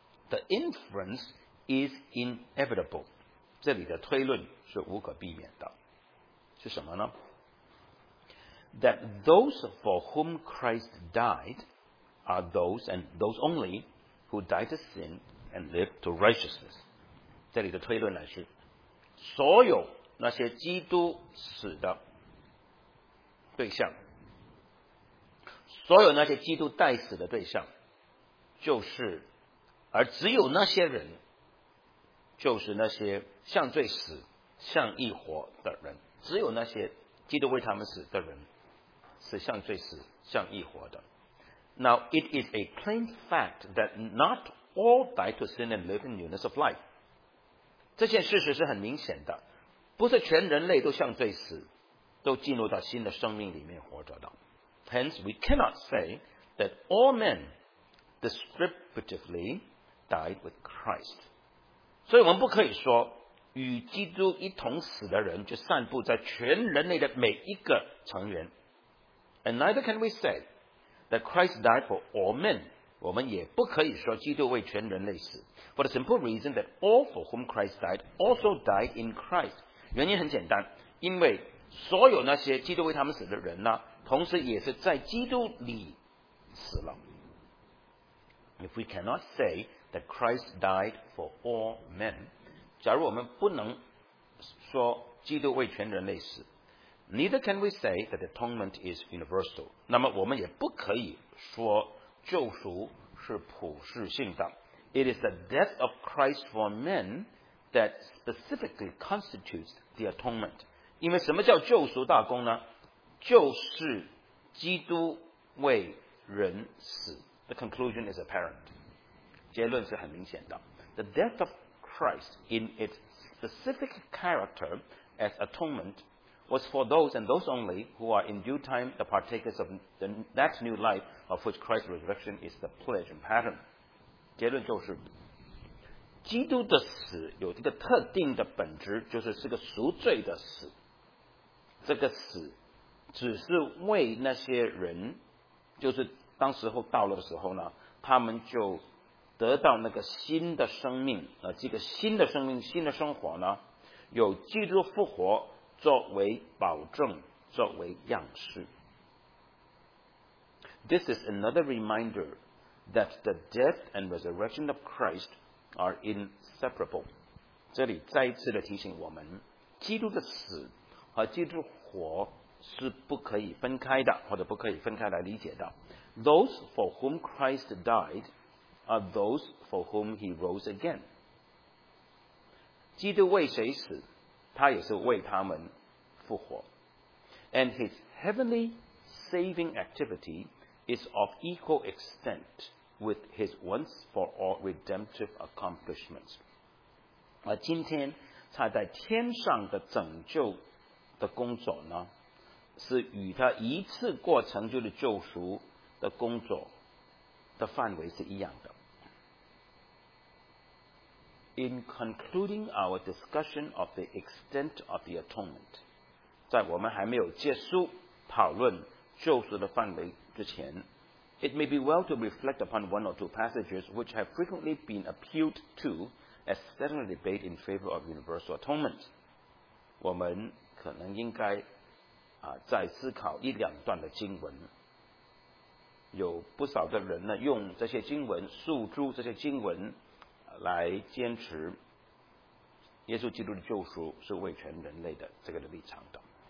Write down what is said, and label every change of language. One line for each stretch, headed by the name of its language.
English: The inference is inevitable，
Chinese: 这里的推论是无可避免的。是什么呢？
English: That those for whom Christ died are those and those only who died to sin and lived to righteousness。
Chinese: 这里的推论呢是所有那些基督死的对象，所有那些基督代死的对象，就是而只有那些人，就是那些向罪死向义活的人，只有那些基督为他们死的人是向罪死向义活的。
English: Now it is a plain fact that not all die to sin and live in newness of life，
Chinese: 这件事实是很明显的，不是全人类都向罪死都进入到新的生命里面活着的。
English: Hence we cannot say that all men distributively died with Christ，
Chinese: 所以我们不可以说与基督一同死的人就散布在全人类的每一个成员。
English: And neither can we say that Christ died for all men，
Chinese: 我们也不可以说基督为全人类死。
English: For the simple reason that all for whom Christ died
Chinese: also died in Christ， 原因很简单，因为所有那些基督为他们死的人呢，同时也是在基督里死了。
English: If we cannot say that Christ died for all men，
Chinese: 假如我们不能说基督为全人类死，
English: Neither can we say that the atonement is universal，
Chinese: 那么我们也不可以说救赎是普世性的。
English: It is the death of Christ for men that specifically constitutes the atonement。
Chinese: 因为什么叫救赎大功呢？就是基督为人死。
English: The conclusion is apparent，
Chinese: 结论是很明显的。
English: The death of Christ in its specific character as atonement was for those and those only who are in due time the partakers of the, that new life of which Christ's resurrection is the pledge and pattern。
Chinese: 结论就是基督的死有这个特定的本质，就是是个赎罪的死。这个死只是为那些人，就是当时候到了的时候呢，他们就得到那个新的生命，这个新的生命新的生活呢，有基督复活作为保证作为样式。
English: This is another reminder that the death and resurrection of Christ are inseparable，
Chinese: 这里再一次的提醒我们，基督的死和基督活是不可以分开的，或者不可以分开来理解的。
English: Those for whom Christ died are those for whom he rose again，
Chinese: 基督为谁死他也是为他们复活。
English: And his heavenly saving activity is of equal extent with his once for all redemptive accomplishments.
Chinese: 而今天他在天上的拯救的工作呢，是与他一次过成就的救赎的工作的范围是一样的。
English: In concluding our discussion of the extent of the atonement,
Chinese: 在我们还没有结束讨论救赎的范围之前，
English: it may be well to reflect upon one or two passages which have frequently been appealed to as settling a debate in favor of universal atonement.
Chinese: 我们可能应该再思考一两段的经文。有不少的人呢，用这些经文诉诸这些经文来坚持耶稣基督的救赎是为全人类的这个的立场的。